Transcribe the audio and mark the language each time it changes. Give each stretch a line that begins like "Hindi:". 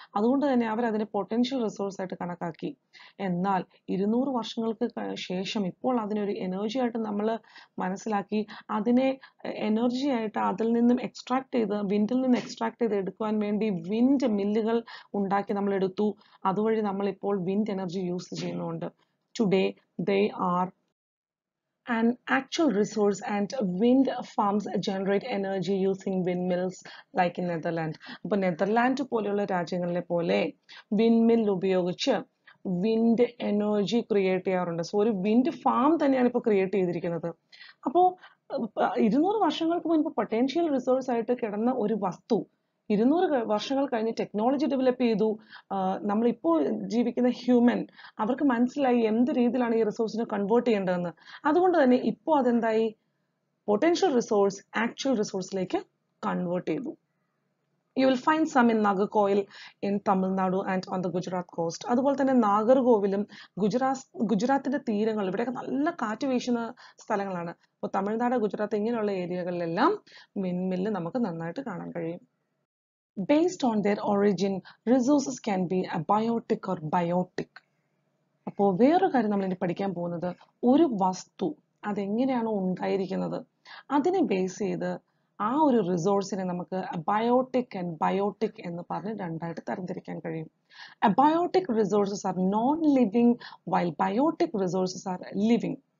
Malayalam: അതുകൊണ്ട് തന്നെ അവരതിനെ പൊട്ടൻഷ്യൽ റിസോഴ്സ് ആയിട്ട് കണക്കാക്കി. എന്നാൽ 200 വർഷങ്ങൾക്ക് ശേഷം ഇപ്പോൾ അതിനൊരു എനർജി ആയിട്ട് നമ്മൾ മനസ്സിലാക്കി, അതിനെ എനർജി ആയിട്ട് അതിൽ നിന്നും എക്സ്ട്രാക്ട് ചെയ്ത് വിൻഡിൽ നിന്ന് എക്സ്ട്രാക്ട് ചെയ്ത് എടുക്കുവാൻ വേണ്ടി വിൻഡ് മില്ലുകൾ ഉണ്ടാക്കി നമ്മൾ എടുത്തു. അതുവഴി നമ്മൾ ഇപ്പോൾ വിൻഡ് എനർജി യൂസ് ചെയ്യുന്നുണ്ട്.
English: Today they are an actual resource and wind farms generate energy using windmills like in Netherlands.
Malayalam: But Netherlands പോലുള്ള രാജ്യങ്ങളിലെ പോലെ windmill ഉപയോഗിച്ച് wind energy create ചെയ്യാറുണ്ട്. സോ ഒരു wind farm തന്നെയാണ് ഇപ്പോൾ create ചെയ്തിരിക്കുന്നത്. അപ്പോൾ 200 വർഷങ്ങൾക്ക് മുൻപ് പൊട്ടൻഷ്യൽ റിസോഴ്സ് ആയിട്ട് കിടന്ന ഒരു വസ്തു 200 വർഷങ്ങൾ കഴിഞ്ഞ് ടെക്നോളജി ഡെവലപ്പ് ചെയ്തു. നമ്മളിപ്പോൾ ജീവിക്കുന്ന ഹ്യൂമൻ അവർക്ക് മനസ്സിലായി എന്ത് രീതിയിലാണ് ഈ റിസോഴ്സിനെ കൺവേർട്ട് ചെയ്യേണ്ടതെന്ന്. അതുകൊണ്ട് തന്നെ ഇപ്പോൾ അതെന്തായി, പൊട്ടൻഷ്യൽ റിസോഴ്സ് ആക്ച്വൽ റിസോഴ്സിലേക്ക് കൺവേർട്ട് ചെയ്തു.
English: You will find some in Nagercoil in Tamil Nadu and on the Gujarat cost.
Malayalam: അതുപോലെ തന്നെ നാഗർകോവിലും ഗുജറാത്തിന്റെ തീരങ്ങൾ, ഇവിടെയൊക്കെ നല്ല കാറ്റ് വീശുന്ന സ്ഥലങ്ങളാണ്. അപ്പോൾ തമിഴ്നാട് ഗുജറാത്ത് ഇങ്ങനെയുള്ള ഏരിയകളിലെല്ലാം വിൻമില്ല് നമുക്ക് നന്നായിട്ട് കാണാൻ കഴിയും.
English: Based on their origin, resources can be abiotic or biotic.
Malayalam: അപ്പോൾ വേറൊരു കാര്യം നമ്മൾ ഇനി പഠിക്കാൻ പോകുന്നത്, ഒരു വസ്തു അതെങ്ങനെയാണ് ഉണ്ടായിരിക്കുന്നത് അതിനെ ബേസ് ചെയ്ത് ആ ഒരു റിസോഴ്സിനെ നമുക്ക് അബയോട്ടിക് ആൻഡ് ബയോട്ടിക് എന്ന് പറഞ്ഞ് രണ്ടായിട്ട് തരംതിരിക്കാൻ കഴിയും.
English: Abiotic resources are non living while biotic resources are living.